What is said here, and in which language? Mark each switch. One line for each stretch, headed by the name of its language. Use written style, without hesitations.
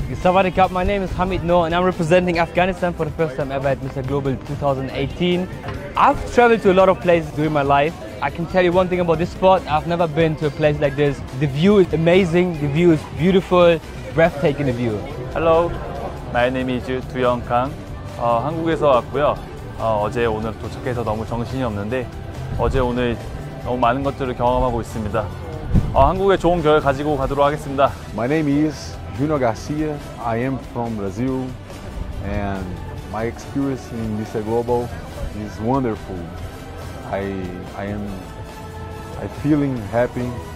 English: Sawadee kap, my name is Hamid Noor and I'm representing Afghanistan for the first time ever at Mr. Global 2018. I've traveled to a lot of places during my life. I can tell you one thing about this spot, I've never been to a place like this. The view is amazing, the view is beautiful, breathtaking the view. Hello, my name is Tu Young Kang.
Korean: 한국에서 왔고요. 어제 오늘 도착해서 너무 정신이 없는데 어제 오늘 너무 많은 것들을 경험하고 있습니다. 한국에 좋은 결 가지고 가도록 하겠습니다.
English: My name is Junior Garcia. I am from Brazil and my experience in Mr. Global is wonderful. I'm feeling happy.